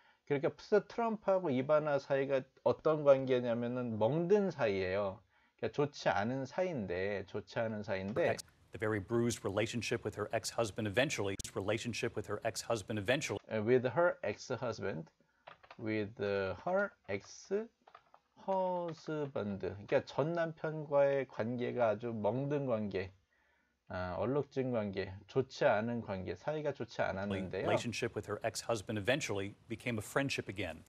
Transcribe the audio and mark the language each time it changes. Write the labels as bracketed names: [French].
[Korean] 그러니까 트럼프하고 이바나 사이가 어떤 관계냐면은 멍든 사이예요. 그러니까 좋지 않은 사이인데, [English] The very bruised relationship with her ex-husband eventually. Relationship with her ex-husband eventually. with her ex-husband. [Korean] 그러니까 전 남편과의 관계가 아주 멍든 관계, 얼룩진 관계, 좋지 않은 관계, 사이가 좋지 않았는데요. [English] Relationship with her ex-husband eventually became a friendship again.